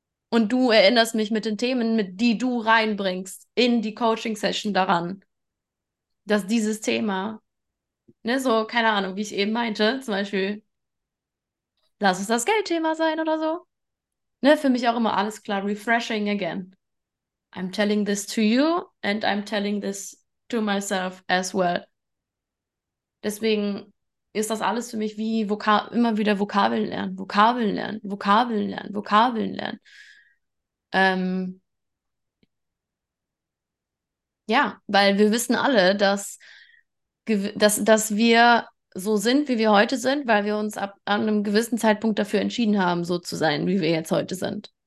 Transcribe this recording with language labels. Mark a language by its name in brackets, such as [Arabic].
[German] Und du erinnerst mich mit den Themen, mit die du reinbringst in die Coaching-Session daran, dass dieses Thema, ne, so, keine Ahnung, wie ich eben meinte, zum Beispiel, lass es das Geldthema sein oder so. Ne, für mich auch immer alles klar, [English] refreshing again. I'm telling this to you and I'm telling this to myself as well. [German] Deswegen ist das alles für mich wie immer wieder Vokabeln lernen, Vokabeln lernen, Vokabeln lernen, Vokabeln lernen. Ja, weil wir wissen alle, dass wir so sind, wie wir heute sind, weil wir uns an einem gewissen Zeitpunkt dafür entschieden haben, so zu sein, wie wir jetzt heute sind.